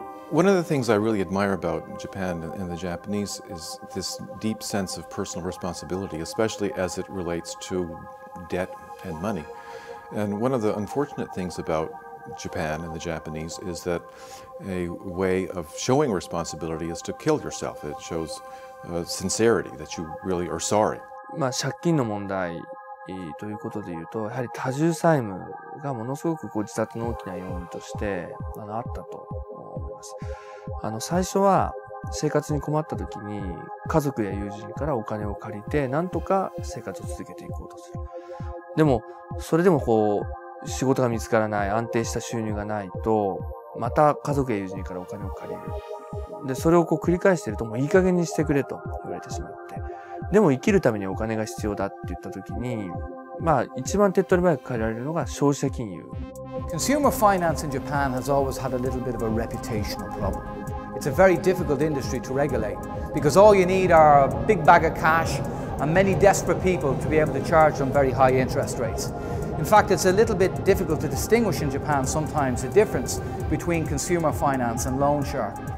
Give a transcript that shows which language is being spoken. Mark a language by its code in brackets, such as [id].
[en] One of the things I really admire about Japan and the Japanese is this deep sense of personal responsibility, especially as it relates to debt and money. And one of the unfortunate things about Japan and the Japanese is that a way of showing responsibility is to kill yourself. It shows sincerity, that you really are sorry. [ja] まあ、借金の問題ということで言うと、やはり多重債務がものすごくこう自殺の大きな要因として あったと思います。最初は生活に困った時に家族や友人からお金を借りて、なんとか生活を続けていこうとする。でも、それでもこう、仕事が見つからない、安定した収入がないと、また家族や友人からお金を借りる。で、それをこう繰り返していると、もういい加減にしてくれと言われてしまって。でも生きるためにお金が必要だって言ったときに、まあ一番手っ取り早く借りられるのが消費者金融。 [en] Consumer finance in Japan has always had a little bit of a reputational problem. It's a very difficult industry to regulate because all you need are a big bag of cash and many desperate people to be able to charge them very high interest rates. In fact, it's a little bit difficult to distinguish in Japan sometimes the difference between consumer finance and loan shark.